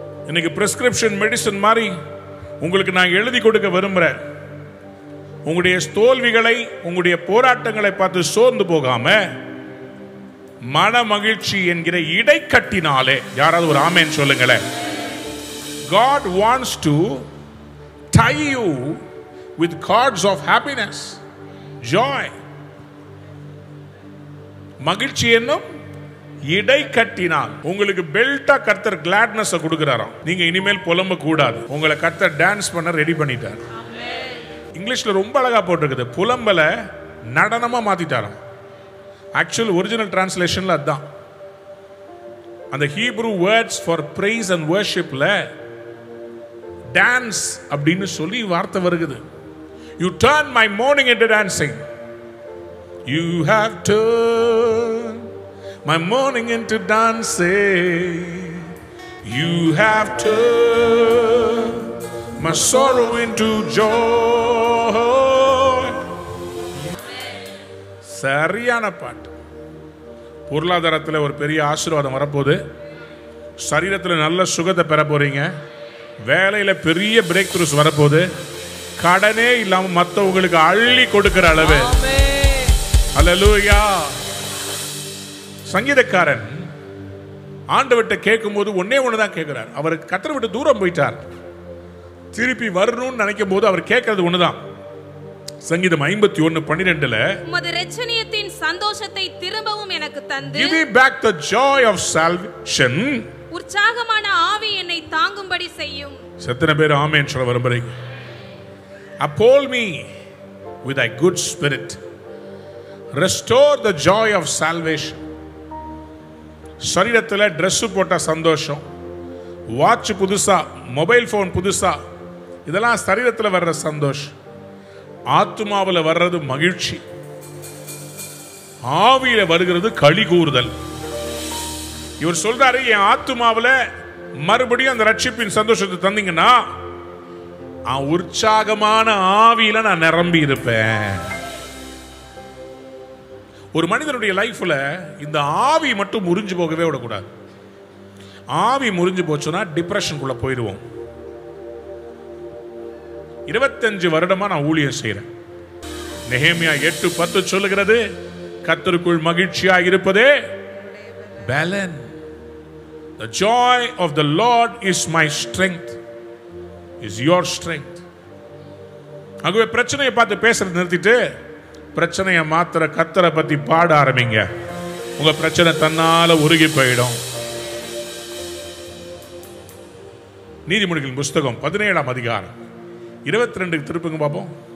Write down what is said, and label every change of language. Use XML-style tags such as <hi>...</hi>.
<ta>இன்னைக்கு prescription medicine மாதிரி உங்களுக்கு நான் எழுதி கொடுக்க விரும்புறேன். உங்களுடைய தோல்விகளை, உங்களுடைய போராட்டங்களை பார்த்து சோர்ந்து போகாம மன மகிழ்ச்சி என்கிற இடைக்கட்டினாலே, யாராவது ஒரு ஆமேன் சொல்லுங்களேன்.</ta> <en>God wants to tie you with cords of happiness, joy.</en> <ta>மகிழ்ச்சி என்னும் இடை கட்டினால் உங்களுக்கு பெல்ட்டா கர்த்தர் கிளாட்னஸ் கொடுக்கிறாராம். நீங்க இனிமேல் புலம்ப கூடாது, உங்களை கர்த்தர் டான்ஸ் பண்ண ரெடி பண்ணிட்டார். இங்கிலீஷ்ல ரொம்ப அழகா போட்டிருக்குது, புலம்பல நடனமா மாத்திட்டாராம். ஆக்சுவல் ஒரிஜினல் டிரான்ஸ்லேஷன்ல அதுதான், அந்த</ta> <en>Hebrew words for praise and வர்ஷிப்ல</en> <ta>dance அப்படின்னு சொல்லி வார்த்தை வருகிறது.</ta> <en>You turn my morning into dancing. You have turned my morning into dancing. You have turned my sorrow into joy.</en> <ta>சரியான பாட்டு. பொருளாதாரத்தில் ஒரு பெரிய ஆசீர்வாதம் வரப்போகுது, சரீரத்தில் நல்ல சுகத்தை பெற போறீங்க, வேலையில பெரிய பிரேக் த்ரூஸ் வரப்போது, கடனே இல்லாம மத்தவங்களுக்கு அள்ளி கொடுக்கிற அளவு. அல்லேலூயா. சங்கீதக்காரன் ஆண்டவர்ட்ட கேட்கும் போது ஒன்னே ஒண்ணுதான் கேட்கிறார். அவர் கர்த்தரை விட்டு தூரம் போயிட்டார், திருப்பி வரணும்னு நினைக்கும் போது அவர் கேட்கறது ஒண்ணுதான். சங்கீதம் 51:12, உமது ரட்சணியத்தின் சந்தோஷத்தை திரும்பவும் எனக்கு தந்து,</ta> <en>give me back the joy of salvation.</en> <ta>உற்சாகமான ஆவி என்னை தாங்கும்படி செய்யும். செத்தனை பேர் ஆமேன் சொல்ல வரும்படி.</ta> <en>Uphold me with a good spirit. Restore the joy of salvation.</en> <ta>சரீரத்தில் ட்ரெஸ் போட்டால் சந்தோஷம், வாட்ச் புதுசா, மொபைல் போன் புதுசா, இதெல்லாம் சரீரத்தில் வர்ற சந்தோஷம். ஆத்மாவில் வர்றது மகிழ்ச்சி, ஆவியில் வருகிறது களி கூறுதல். இவர் சொல்றாரு, என் ஆத்மாவில் மறுபடியும் அந்த ரட்சிப்பின் சந்தோஷத்தை தந்தீங்கன்னா உற்சாகமான ஆவியில் நான் நிரம்பி இருப்பேன். ஒரு மனிதனுடைய லைஃப்ல இந்த ஆவி மட்டும் முறிஞ்சு போகவே விடக்கூடாது. ஆவி முறிஞ்சு போச்சுன்னா டிப்ரெஷனுக்குள்ள போயிடுவோம். 25 வருடமா நான் ஊழியம் செய்யறேன். நெகேமியா 8:10 சொல்லுகிறது, கர்த்தருக்குள் மகிழ்ச்சியா இருப்பதே பலன்.</ta> <en>The joy of the Lord is my strength, is your strength.</en> <ta>ஆகவே பிரச்சனையை பார்த்து பேசுறது நிறுத்திட்டு பிரச்சனையை மாத்திர கர்த்தரை பத்தி பாட ஆரம்பிங்க. உங்க பிரச்சனை தன்னால உருகி போயிடும். நீதிமொழிகள் புஸ்தகம் 17 அதிகாரம் 22 திருப்புங்க பாப்போம்.</ta>